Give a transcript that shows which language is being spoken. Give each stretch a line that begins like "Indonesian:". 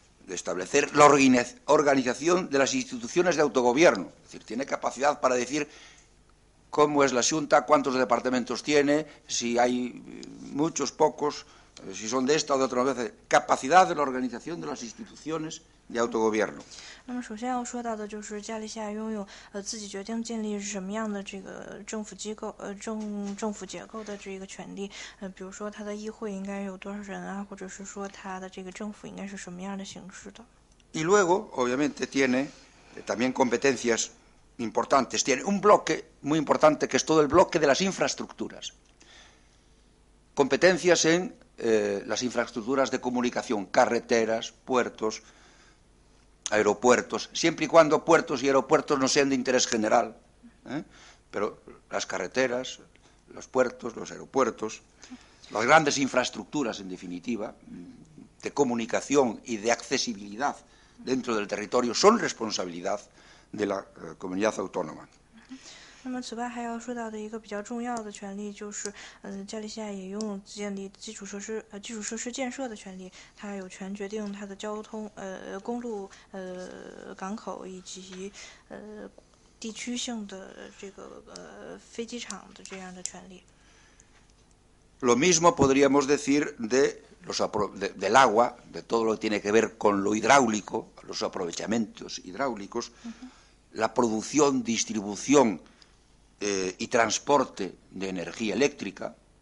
Spanish: De establecer la organización de las instituciones de autogobierno. Es decir, tiene capacidad para decir cómo es la Xunta, cuántos departamentos tiene, si hay muchos, pocos, si son de esta o de otra vez. Capacidad de la organización de las instituciones de autogobierno.
Chinese: 那么首先要说到的就是加利西亚拥有自己决定建立什么样的这个政府机构政府结构的这个权利比如说它的议会应该有多少人啊或者是说它的这个政府应该是什么样的形式的。
Spanish: Y luego, obviamente, tiene también competencias importantes. Tiene un bloque muy importante que es todo el bloque de las infraestructuras. Competencias en las infraestructuras de comunicación, carreteras, puertos... aeropuertos, siempre y cuando puertos y aeropuertos no sean de interés general, pero las carreteras, los puertos, los aeropuertos, las grandes infraestructuras, en definitiva, de comunicación y de accesibilidad dentro del territorio son responsabilidad de la comunidad autónoma.
Chinese: 那么此外还要说到的一个比较重要的权利就是加利西亚也拥有建立基础设施建设的权利它有权决定它的交通公路港口以及地区性的这个飞机场的这样的权利。
Spanish: Lo mismo podríamos decir del agua, de todo lo que tiene que ver con lo hidráulico, los aprovechamientos hidráulicos,la producción, distribución,y transporte de energía eléctrica,